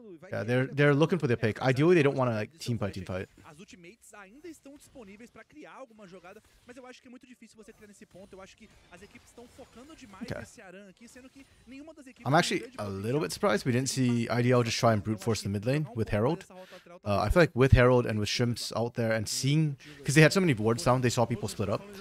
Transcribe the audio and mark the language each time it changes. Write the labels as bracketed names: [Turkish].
[English] Yeah, they're looking for their pick. Ideally, they don't want to, like, team fight. [Portuguese] As ultimates ainda estão disponíveis para criar alguma jogada, mas eu acho que é muito difícil você criar nesse ponto. Eu acho que as equipes estão focando demais nesse Aran aqui, sendo que nenhuma das equipes... [English] I'm actually a little bit surprised we didn't see IDL just try and brute force the mid lane with Herald. I feel like with Herald and with Shrimps out there and seeing... Because they had so many wards down, they saw people split up.